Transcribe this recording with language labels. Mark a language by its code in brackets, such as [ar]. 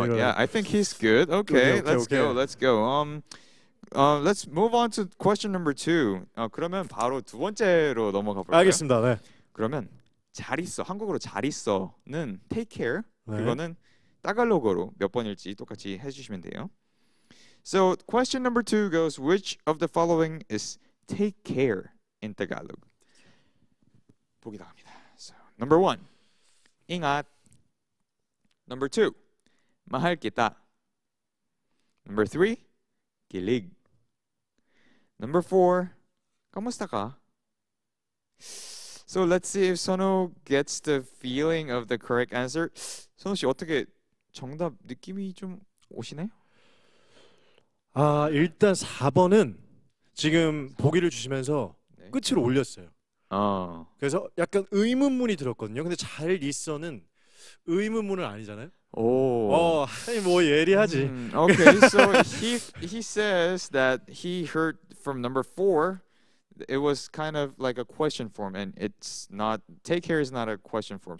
[en] Yeah, I think he's good. Okay, okay, okay let's okay. go. Let's go. Let's move on to question number two. [ko] 그러면 바로 두 번째로 넘어가 볼까요? 알겠습니다. 네. 그러면 잘 있어. 한국어로 잘 있어는 take care. 네. 그거는 타갈로그로 몇 번일지 똑같이 해주시면 돼요. [en] So question number two goes: Which of the following is take care in Tagalog? 보기 나갑니다. So number one, 잉앗. Number two, 마할 기타. Number three, 길릭. Number four, 까무스타가. So let's see if Sono gets the feeling of the correct answer. [ko] Sono 씨 어떻게 정답 느낌이 좀 오시나요? 아 일단 4번은 지금 보기를 주시면서 네. 끝으로 올렸어요. 그래서 약간 의문문이 들었거든요. 근데 잘 있어는 의문문은 아니잖아요. 오. 아니 뭐 예리하지. [en] Okay, so he says that he heard from number four. It was kind of like a question form, and it's not take care is not a question form.